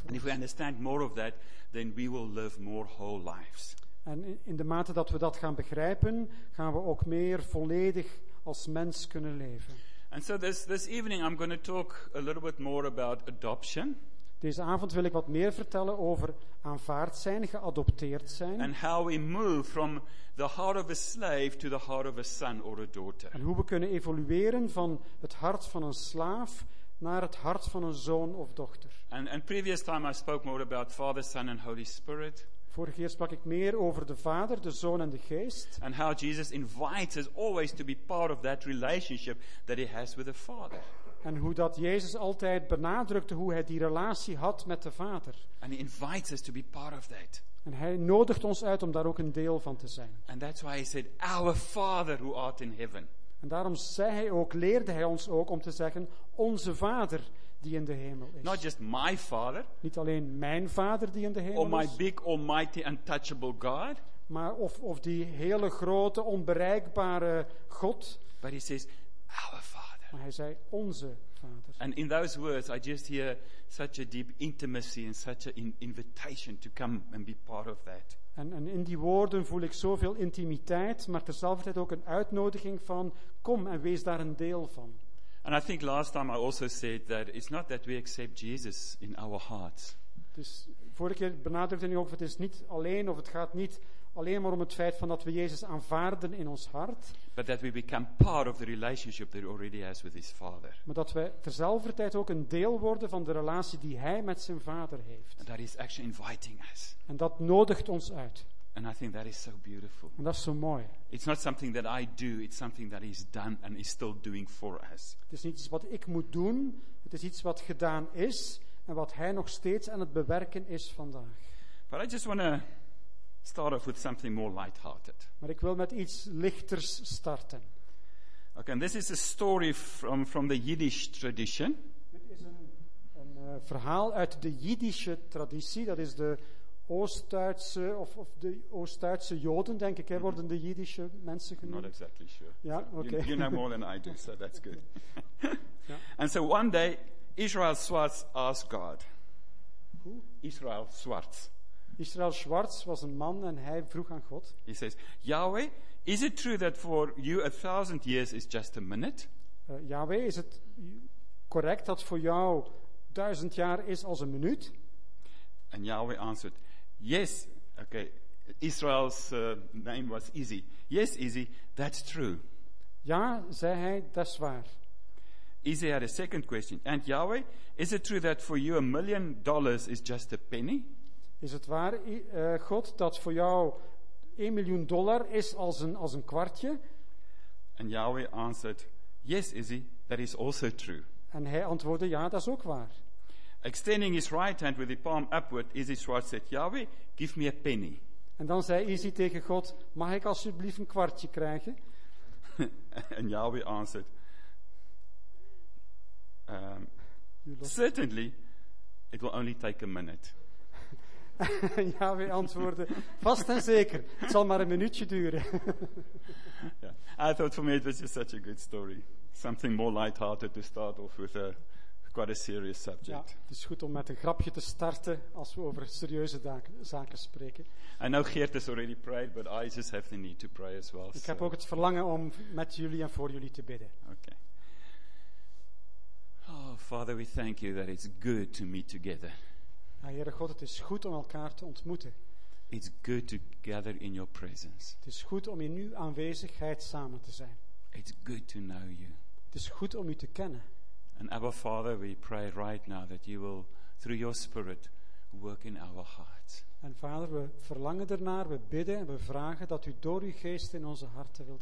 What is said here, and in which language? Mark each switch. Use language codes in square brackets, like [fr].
[en] ons. And if we understand more of that, then we will live more whole lives. [nl] En in de mate dat we dat gaan begrijpen, gaan we ook meer volledig als mens kunnen leven. [en] And so this evening I'm going to talk a little bit more about adoption. [nl] Deze avond wil ik wat meer vertellen over aanvaard zijn, geadopteerd zijn. [en] And how we move from the heart of a slave to the heart of a son or a daughter. [nl] En hoe we kunnen evolueren van het hart van een slaaf naar het hart van een zoon of dochter. [en] And previous time I spoke more about Father, Son and Holy Spirit. [nl] Vorige keer sprak ik meer over de Vader, de Zoon en de Geest. [en] And how Jesus invites us always to be part of that relationship that he has with the Father. [nl] En hoe dat Jezus altijd benadrukte hoe hij die relatie had met de Vader. [en] And he invites us to be part of that. [nl] En hij nodigt ons uit om daar ook een deel van te zijn. [en] And that's why he said, "Our Father who art in heaven." [nl] En daarom zei hij ook, leerde hij ons ook om te zeggen, onze Vader die in de hemel is. [en] Not just my father. [nl] Niet alleen mijn Vader die in de hemel [en] or my [nl] is. [en] Big, almighty, untouchable God. [nl] Maar of die hele grote, onbereikbare God. [en] But he says, our Father. [nl] Maar hij zei, onze Vader. [en] And in those words, I just hear such a deep intimacy and such an invitation to come and be part of that. [nl] En in die woorden voel ik zoveel intimiteit, maar terzelfde tijd ook een uitnodiging van, kom en wees daar een deel van. [en] And I think last time I also said that it's not that we accept Jesus in our hearts. [nl] Dus vorige keer benadrukte ik ook, het is niet alleen, of het gaat niet alleen maar om het feit van dat we Jezus aanvaarden in ons hart. [en] But that we become part of the relationship that he already has with his Father. [nl] Maar dat wij terzelfde tijd ook een deel worden van de relatie die hij met zijn Vader heeft. [en] And that is actually inviting us. [nl] En dat nodigt ons uit. [en] And I think that is so beautiful. [nl] En dat is zo mooi. [en] It's not something that I do, it's something that he's done and is still doing for us. [nl] Het is niet iets wat ik moet doen, het is iets wat gedaan is en wat hij nog steeds aan het bewerken is vandaag. [en] But I just want to start off with something more lighthearted. [nl] Maar ik wil met iets lichters starten. [en] Okay, and this is a story from the Yiddish tradition. [nl] Dit is een verhaal uit de Yiddische traditie, dat is de Oost-Duitse of de Oost-Duitse Joden, denk ik, worden de Jiddische mensen genoemd. [en] Not exactly sure. [nl] Ja, okay. [en] You know more than I do, so that's good. And so one day, Israel Schwartz asked God. Who? Israel Schwartz. [nl] Israel Schwartz was een man en hij vroeg aan God. [en] He says, Yahweh, is it true that for you 1,000 years is just a minute? [nl] Yahweh, is het correct dat voor jou 1,000 jaar is als een minuut? [en] And Yahweh answered, yes, okay, Israel's name was Izzy. Yes, Izzy, that's true. [nl] Ja, zei hij, dat is waar. [en] Izzy had a second question. And Yahweh, is it true that for you $1,000,000 is just a penny? [nl] Is het waar, God, dat voor jou $1,000,000 is als een kwartje? [en] And Yahweh answered, yes, Izzy, that is also true. [nl] En hij antwoordde, ja, dat is ook waar. [en] Extending his right hand with the palm upward, Izzy Schwartz said, Yahweh, give me a penny. [nl] En dan zei Izzy tegen God, mag ik alsjeblieft een kwartje krijgen? [en] And Yahweh answered, certainly, it will only take a minute. [nl] En Yahweh antwoordde, vast en zeker, het zal maar een minuutje duren. [en] Yeah. I thought for me it was just such a good story. Something more lighthearted to start off with a quite a serious subject. [nl] Ja, het is goed om met een grapje te starten als we over serieuze zaken spreken. [en] I know Geert has already prayed, but I just have the need to pray as well. [nl] Ik heb ook het verlangen om met jullie en voor jullie te bidden. [en] Okay. Oh, Father, we thank you that it's good to meet together. [nl] Ja, Heere God, het is goed om elkaar te ontmoeten. [en] It's good to gather in your presence. [nl] Het is goed om in uw aanwezigheid samen te zijn. [en] It's good to know you. [nl] Het is goed om u te kennen. [en] And Abba Father, we pray right now that you will, through your Spirit, work in our hearts. [nl] En Vader, we verlangen ernaar, we bidden en we vragen dat u door uw geest in onze harten wilt